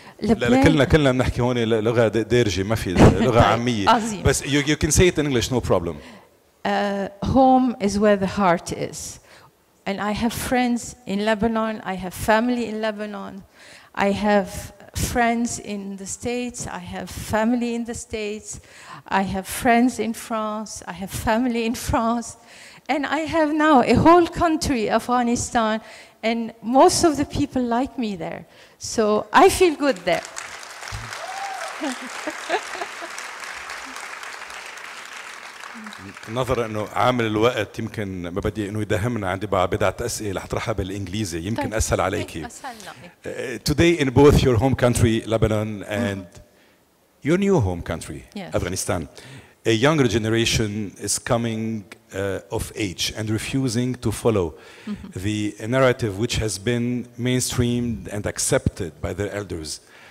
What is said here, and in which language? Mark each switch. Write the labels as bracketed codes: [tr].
[ar] لبنان كلنا بنحكي هون لغة دارجة، ما في لغة عامية. [en] بس you can say it in English, no problem. Home is where the heart is, and I have friends in Lebanon. I have family in Lebanon. I have friends in the States. I have family in the States. I have friends in France, I have family in France, and I have now a whole country, Afghanistan, and most of the people like me there. So I feel good there. [ar] نظرا انه عامل الوقت يمكن ما بدي انه يدهمنا، عندي بعض اسئله رح اطرحها بالانجليزي يمكن اسهل عليكي. [en] Today in both your home country, Lebanon, and your new home country, yes, Afghanistan, a younger generation is coming of age and refusing to follow the narrative which has been mainstreamed and accepted by their elders.